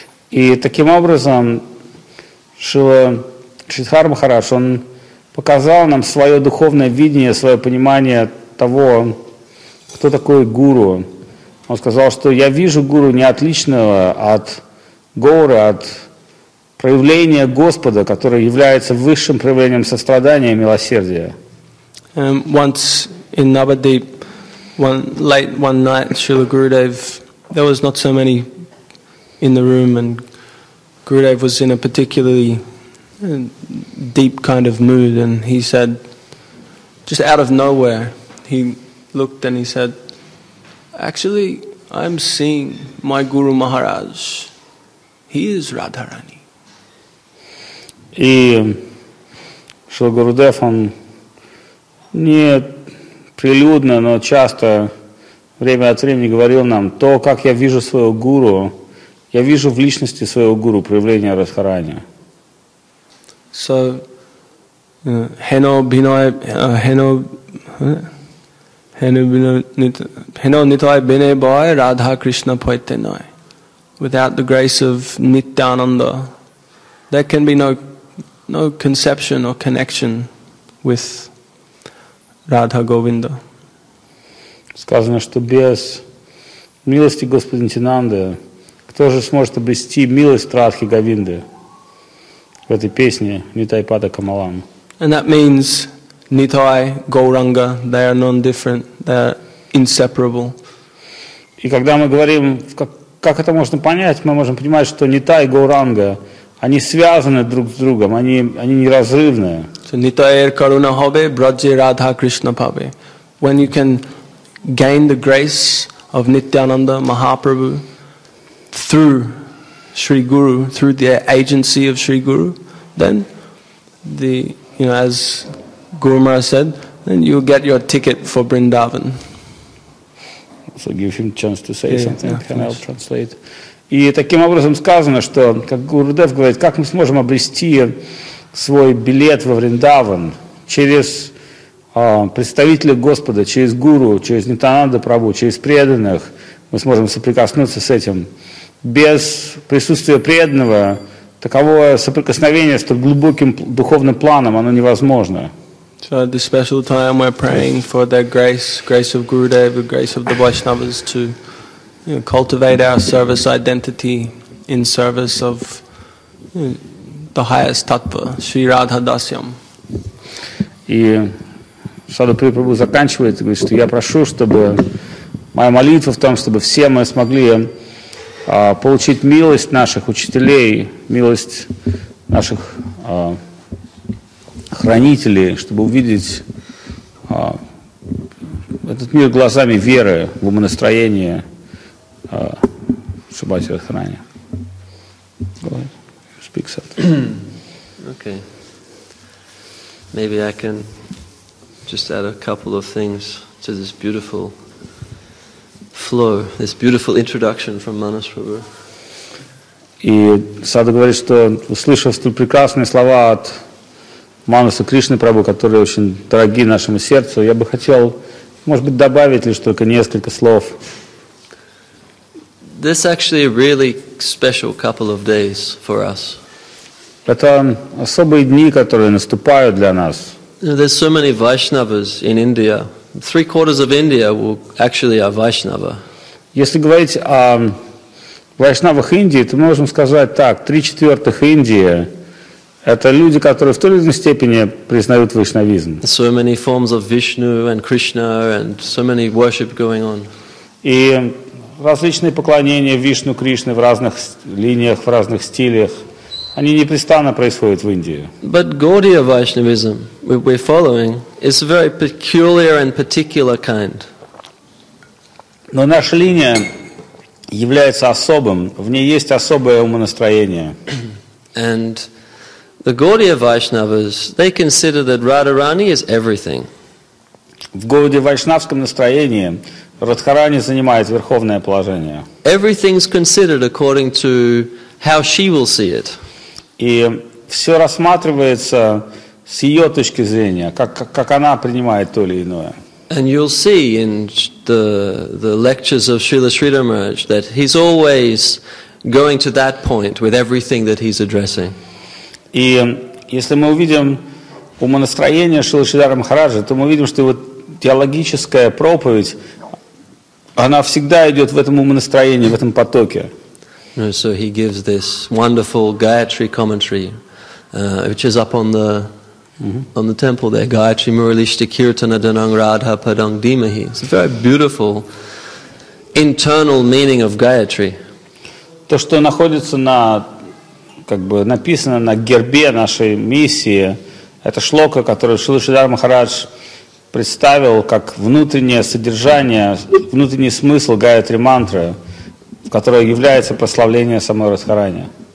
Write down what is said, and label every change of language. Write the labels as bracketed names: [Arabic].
[Russian] И таким образом Шрила Шридхар Махарадж, он показал нам свое духовное видение, свое понимание того, кто такой гуру. Он сказал, что я вижу гуру не отличного от Гоуры, от проявления Господа, которое является высшим проявлением сострадания и милосердия. [English] Once in Navadvip, late one night, Srila Gurudev, there was not so many in the room, and Gurudev was in a particularly deep kind of mood, and he said, just out of nowhere, he looked and he said, actually, I'm seeing my Guru Maharaj. He is Radharani. [Russian] И Шрила Гурудев, он не прилюдно, но часто время от времени говорил нам, то, как я вижу своего гуру, я вижу в личности своего гуру проявление Радхарани. [Bangla] So, Heno Nitai Bine Bhai Radha Krishna Poitenai. [English] Without the grace of Nityananda, there can be no conception or connection with Radha Govinda. [Russian] Сказано, что без милости Господа Нитянанды кто же сможет обрести милость Радхи Говинды в этой песне Nitai Pada Kamalam. [English] And that means Nitai, Gauranga, they are non-different, they are inseparable. [Russian] И когда мы говорим, как это можно понять, мы можем понимать, что Nitai, Gauranga, они связаны друг с другом, они неразрывные. [Bangla] So Nitai er karuna hobe, braje radha krishna pabe. [English] When you can gain the grace of Nityananda Mahaprabhu through Sri Guru, through the agency of Sri Guru, then as Guru Maharaj said, then you get your ticket for Vrindavan. So give him chance to say something. Yeah, can I translate? [Russian] И таким образом сказано, что, как Гурудев говорит, как мы сможем обрести свой билет во Вриндаван через представителя Господа, через Гуру, через Нитянанда Прабху, через преданных, мы сможем соприкоснуться с этим. Без присутствия преданного, таковое соприкосновение с глубоким духовным планом, оно невозможно. [English] So at this special time we're praying for their grace of Gurudev, the grace of the Vaishnavas to cultivate our service identity in service of the highest tattva, Sri Radha Dasyam. [Russian] И Саду Прабху заканчивает и говорит, что я прошу, чтобы моя молитва в том, чтобы все мы смогли получить милость наших учителей, милость наших хранителей, чтобы увидеть этот мир глазами веры в умонастроение Шубати Радхарани. [English] Go ahead. Speak something. Okay. Maybe I can just add a couple of things to this beautiful flow, this beautiful introduction from Manas Prabhu. [Russian] И Саду говорит, что услышав столь прекрасные слова от Манаса Кришны Прабху, которые очень дороги нашему сердцу, я бы хотел, может быть, добавить лишь только несколько слов. [English] This actually a really special couple of days for us. [Russian] Это особые дни, которые наступают для нас. [English] There's so many Vaishnavas in India. 3/4 of India actually are Vaishnava. [Russian] Если говорить о Вайшнавах Индии, то мы можем сказать так, 3/4 Индии – это люди, которые в той или иной степени признают вайшнавизм. [English] So many forms of Vishnu and Krishna and so many worship going on. [Russian] И различные поклонения Вишну, Кришны в разных линиях, в разных стилях, они непрестанно происходят в Индии. [English] But Gaudiya Vaishnavism we're following is a very peculiar and particular kind. [Russian] Но наша линия является особым, в ней есть особое умонастроение. [English] And the Gaudiya Vaishnavas, they consider that Radharani is everything. [Russian] В Гаудия Вайшнавском настроении Радхарани занимает верховное положение. [English] Everything's considered according to how she will see it. [Russian] И все рассматривается с ее точки зрения, как она принимает то или иное. [English] And you'll see in the lectures of Srila Sridhar Maharaj that he's always going to that point with everything that he's addressing. [Russian] И если мы увидим умонастроение Шрилы Шридхара Махараджа, то мы увидим, что его теологическая проповедь, она всегда идет в этом умонастроении, в этом потоке. [English] So he gives this wonderful Gayatri commentary, which is up on the on the temple there, [Sanskrit] Gayatri Muralishti Kirtana Danang Radha Padang Dimahi. [English] It's a very beautiful internal meaning of Gayatri. [Russian] То, что находится на, как бы, написано на гербе нашей миссии, это шлока, которую Шрила Шридхар Махарадж представил как внутреннее содержание, внутренний смысл Гаятри мантры, которая является прославление самой Радхарани.